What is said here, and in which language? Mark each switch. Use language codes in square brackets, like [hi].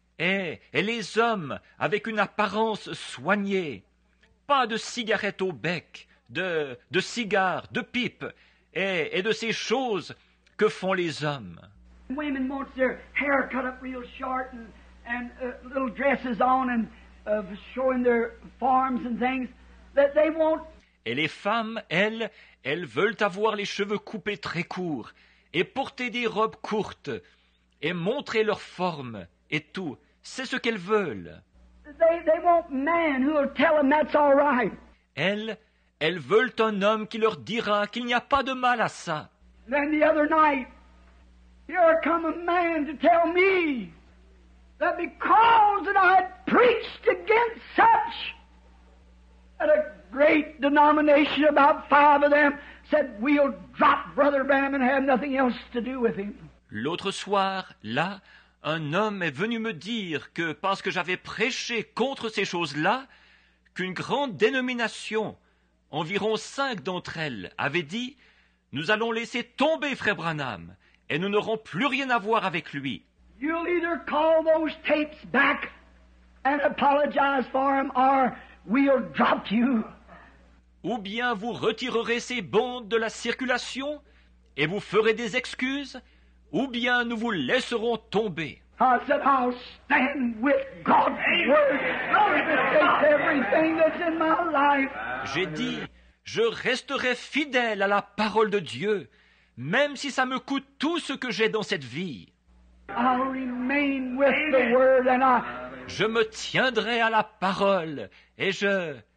[fr] Et les hommes avec une apparence soignée, pas de cigarettes au bec, de cigares, de pipes et de ces choses que font les hommes. [en] Women want their hair cut up real short and little dresses on and showing their forms and things that they want. [fr] Et les femmes, elles veulent avoir les cheveux coupés très courts et porter des robes courtes et montrer leurs formes et tout. C'est ce qu'elles veulent. [en] They want man who will tell them that's all right. [fr] Elles veulent un homme qui leur dira qu'il n'y a pas de mal à ça. [en] Then the other night, here come a man to tell me that because that I had preached against such, that a great denomination, about 5 of them, said we'll drop Brother Branham and have nothing else to do with him. [fr] L'autre soir, là, un homme est venu me dire que parce que j'avais prêché contre ces choses-là, qu'une grande dénomination, environ 5 d'entre elles, avait dit, nous allons laisser tomber Frère Branham et nous n'aurons plus rien à voir avec lui. [en] You'll either call those tapes back and apologize for them, or we'll drop you. [fr] Ou bien vous retirerez ces bandes de la circulation et vous ferez des excuses, ou bien nous vous laisserons tomber. [en] I said, I'll stand with God's word. Everything that's in my life. [fr] J'ai dit, je resterai fidèle à la parole de Dieu, même si ça me coûte tout ce que j'ai dans cette vie. [en] I'll remain with the word and I... [fr] Je me tiendrai à la parole et je...